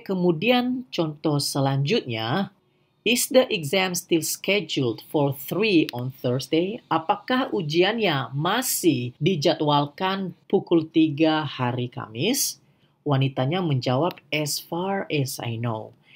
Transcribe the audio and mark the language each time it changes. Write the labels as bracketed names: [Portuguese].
[Indonesian] Kemudian contoh selanjutnya, [English] is the exam still scheduled for 3 on Thursday? [Indonesian] Apakah ujiannya masih dijadwalkan pukul 3 hari Kamis? Wanitanya menjawab, [English] as far as I know.